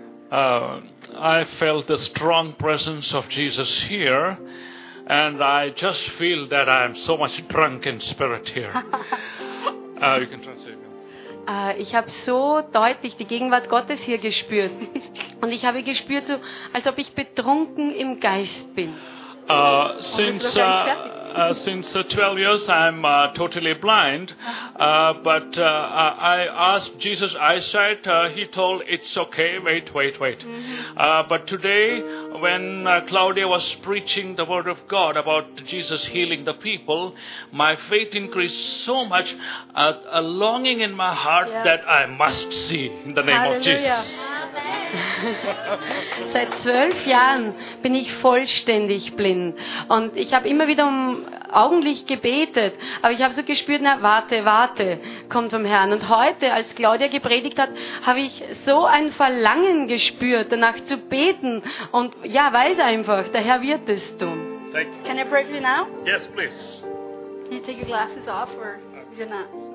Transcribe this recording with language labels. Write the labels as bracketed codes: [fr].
[en] I felt the strong presence of Jesus here. And I just feel that I'm so much drunk in spirit here. You can translate. [de] Ich habe so deutlich die Gegenwart Gottes hier gespürt. Und ich habe gespürt, so, als ob ich betrunken im Geist bin. [en] Since 12 years I'm totally blind. But I asked Jesus eyesight. He told, it's okay, wait. But today, when Claudia was preaching the word of God about Jesus healing the people, my faith increased so much, a longing in my heart that I must see in the name [de] Halleluja. [en] Of Jesus. [de] Seit 12 Jahren bin ich vollständig blind. Und ich habe immer wieder um Augenlicht gebetet. Aber ich habe so gespürt, na warte, kommt vom Herrn. Und heute, als Claudia gepredigt hat, habe ich so ein Verlangen gespürt, danach zu beten. Und ja, weiß einfach, der Herr wird es tun. [en] Can I pray for you now? Yes, please. Can you take your glasses off or you're not?